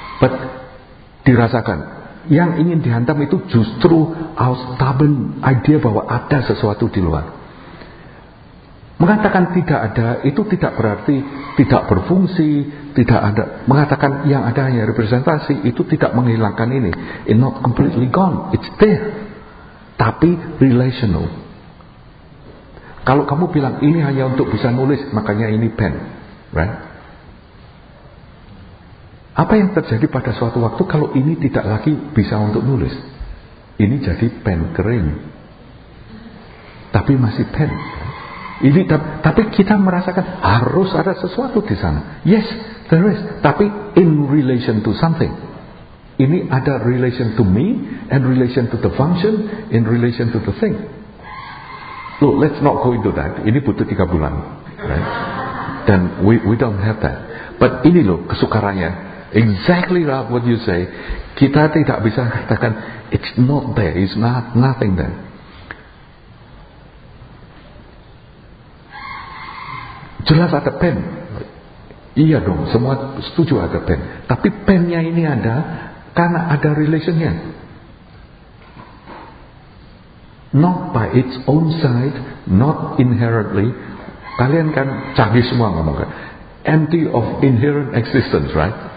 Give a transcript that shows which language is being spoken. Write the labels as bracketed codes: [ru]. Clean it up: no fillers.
[id] But dirasakan yang ingin dihantam itu justru [en] our stubborn idea [id] bahwa ada sesuatu di luar. Mengatakan tidak ada itu tidak berarti tidak berfungsi, tidak ada. Mengatakan yang ada hanya representasi itu tidak menghilangkan ini. [en] It's not completely gone, it's there. [id] Tapi relational. Kalau kamu bilang ini hanya untuk bisa nulis, makanya ini pen, right? Apa yang terjadi pada suatu waktu kalau ini tidak lagi bisa untuk nulis? Ini jadi pen kering. Tapi masih pen. Ini, tapi kita merasakan harus ada sesuatu di sana. [en] Yes, there is. [id] Tapi [en] in relation to something. [id] Ini ada [en] relation to me, and relation to the function, in relation to the thing. Look, let's not go into that. [id] Ini butuh 3 bulan. [en] Right? Then we don't have that. [id] But ini loh kesukarannya. [en] Exactly right what you say. [id] Kita tidak bisa katakan [en] it's not there, it's not nothing there. [id] Jelas ada pen. Iya dong, semua setuju ada pen. Tapi pennya ini ada karena ada relationnya. [en] Not by its own side, not inherently. [id] Kalian kan canggih semua ngomong kan. [en] Empty of inherent existence, right?